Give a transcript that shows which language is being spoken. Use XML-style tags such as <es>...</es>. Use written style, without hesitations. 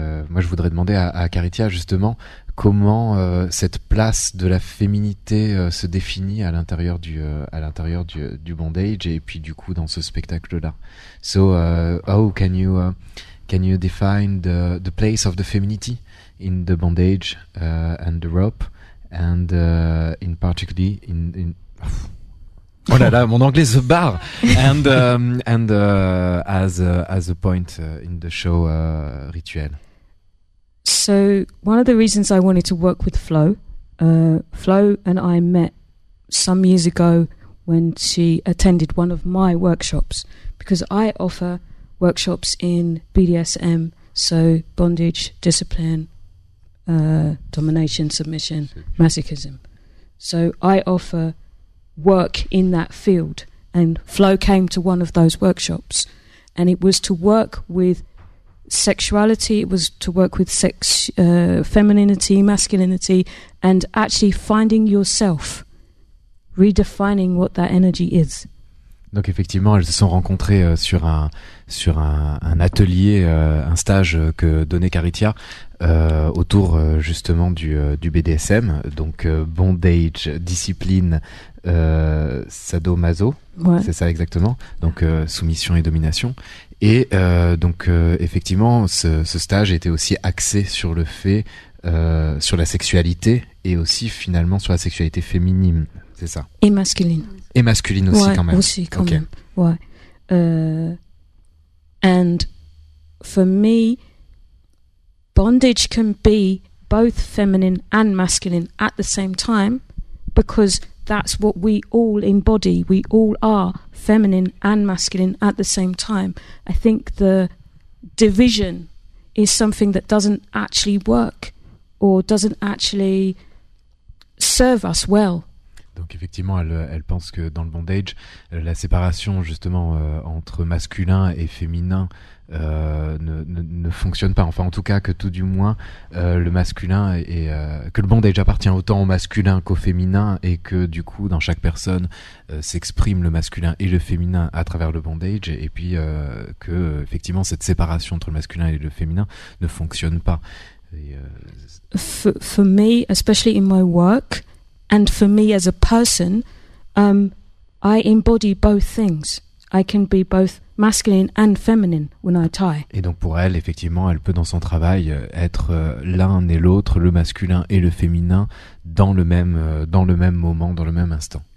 <fr>Moi, je voudrais demander à Caritia justement comment cette place de la féminité se définit à l'intérieur du bondage et puis du coup dans ce spectacle-là.</fr> <en>So, how can you define the place of the femininity in the bondage and the rope? And in particularly in</en> <fr>oh là là, mon anglais se barre.</fr> <en>As a point in the show Rituel. So one of the reasons I wanted to work with Flo, Flo and I met some years ago when she attended one of my workshops, because I offer workshops in BDSM, so bondage, discipline, domination, submission, masochism. So I offer work in that field, and Flo came to one of those workshops, and it was to work with sexuality, it was to work with sex, femininity, masculinity, and actually finding yourself, redefining what that energy is.</en> <fr>Donc effectivement, elles se sont rencontrées sur un atelier, un stage que donnait Caritia autour justement du BDSM, donc bondage, discipline, sadomaso, ouais. C'est ça exactement. Donc soumission et domination. Et donc effectivement, ce stage était aussi axé sur le fait sur la sexualité et aussi finalement sur la sexualité féminine. C'est ça. Et masculine. Et masculine aussi, ouais, quand même. Aussi, quand okay. même. Ouais.</fr> <en>And for me, bondage can be both feminine and masculine at the same time, because that's what we all embody. We all are feminine and masculine at the same time. I think the division is something that doesn't actually work or doesn't actually serve us well.</en> <fr>Donc effectivement, elle pense que dans le bondage, la séparation justement entre masculin et féminin ne fonctionne pas. Enfin, en tout cas, que tout du moins, le masculin et que le bondage appartient autant au masculin qu'au féminin, et que du coup, dans chaque personne, s'exprime le masculin et le féminin à travers le bondage. Et puis que effectivement, cette séparation entre le masculin et le féminin ne fonctionne pas. Et,</fr> <en>For me, especially in my work. And for me as a person, I embody both things. I can be both masculine and feminine when I tie.</en> <fr>Et donc pour elle, effectivement, elle peut dans son travail être l'un et l'autre, le masculin et le féminin, dans le même moment, dans le même instant.</fr>